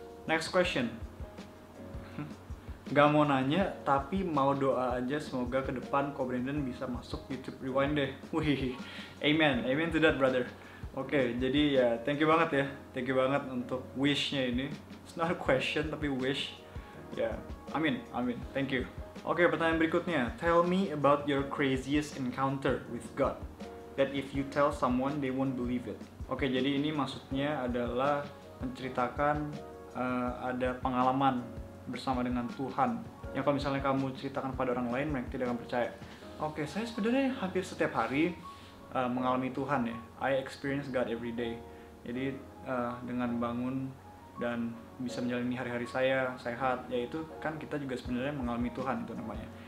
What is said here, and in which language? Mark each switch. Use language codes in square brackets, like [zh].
[en] Next question. [id] Gak mau nanya, tapi mau doa aja semoga ke depan Ko Brandon bisa masuk YouTube Rewind deh. [en] Wih, amen to that brother. [id] Oke, jadi ya [en] thank you [id] banget untuk wish-nya ini. [en] It's not a question, [id] tapi wish. Ya, amin, [en] thank you. [id] Oke, pertanyaan berikutnya. [en] Tell me about your craziest encounter with God that if you tell someone, they won't believe it. [id] Oke, jadi ini maksudnya adalah menceritakan ada pengalaman bersama dengan Tuhan yang kalau misalnya kamu ceritakan pada orang lain, mereka tidak akan percaya. Oke, saya sebenarnya hampir setiap hari mengalami Tuhan ya. [en] I experience God every day. [id] Jadi dengan bangun dan bisa menjalani hari-hari saya sehat, yaitu kan kita juga sebenarnya mengalami Tuhan itu namanya.